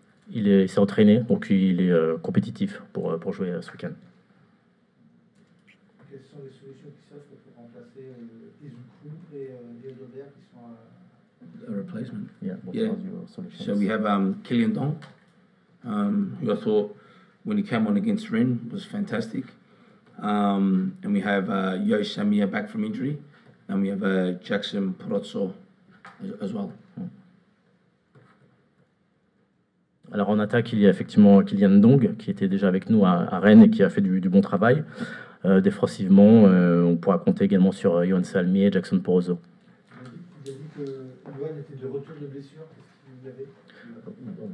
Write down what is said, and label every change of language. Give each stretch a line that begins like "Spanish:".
French: Il s'est entraîné, donc il est compétitif pour jouer ce week-end. Quelles sont les solutions qui s'offrent pour remplacer Izuku et Léo Dauvert qui sont
English: à... A replacement. Yeah. So we have Kylian Dong, who I thought, when he came on against Rennes, was fantastic. And we have Yo Samia back from injury, and we have Jackson Porozzo as well.
French: Alors en attaque, il y a effectivement Kylian Dong qui était déjà avec nous à Rennes et qui a fait du bon travail. Défensivement, on pourra compter également sur Yoann Salmi et Jackson Porozzo. Vous avez dit que Yoann était de retour de blessure. Qu'est-ce qu'il avait?